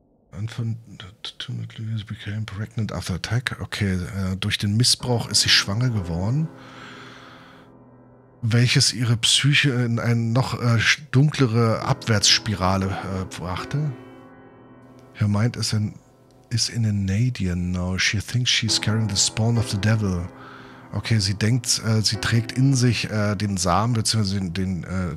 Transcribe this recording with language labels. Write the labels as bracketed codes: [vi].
[en] Ultimately, she became pregnant after attack. [de] Okay, durch den Missbrauch ist sie schwanger geworden. Welches ihre Psyche in eine noch dunklere Abwärtsspirale brachte. [en] Her mind is in a Nadian now. She thinks she's carrying the spawn of the devil. [de] Okay, sie denkt, sie trägt in sich den Samen bzw.